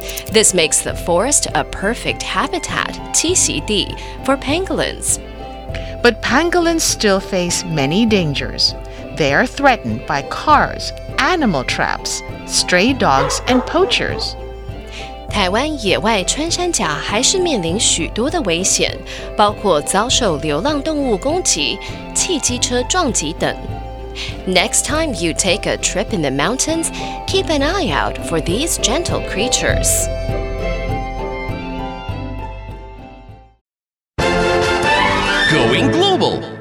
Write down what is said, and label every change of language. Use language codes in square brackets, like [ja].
[en] This makes the forest a perfect habitat, 栖息地, for pangolins. But pangolins still face many dangers. They are threatened by cars, animal traps, stray dogs, and poachers. [zh] 台灣野外穿山甲還是面臨許多的危險,包括遭受流浪動物攻擊,汽機車撞擊等。 [en] Next time you take a trip in the mountains, keep an eye out for these gentle creatures. Going global.